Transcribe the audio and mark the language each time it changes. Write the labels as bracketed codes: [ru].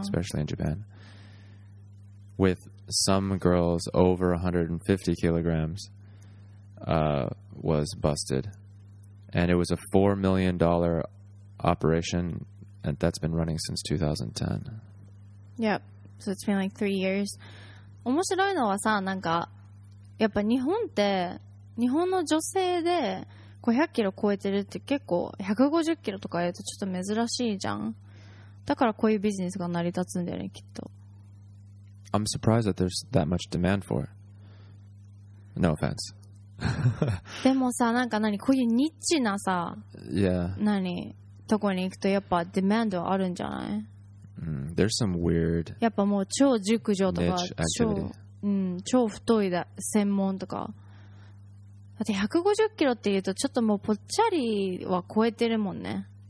[en] especially in Japan. With some girls over 150 kilograms. Was busted, and it was a $4 million operation, and that's been running since 2010. Yep, so it's been like 3 years. [ja] 面白いのはさ、なんかやっぱ日本って日本の女性で500キロ超えてるって結構150キロとか言うとちょっと珍しいじゃん。だからこういうビジネスが成り立つんだよねきっと。 [en] I'm surprised that there's that much demand for it. No offense [ja] でもさ、なんか何こういうニッチなさ、 [en] yeah. [ja] 何とこに行くとやっぱデマンドあるんじゃない、 [en] mm, there's some weird [ja] やっぱもう超熟女とか超太いだ専門とか、だって150キロって言うとちょっともうぽっちゃりは超えてるもんね。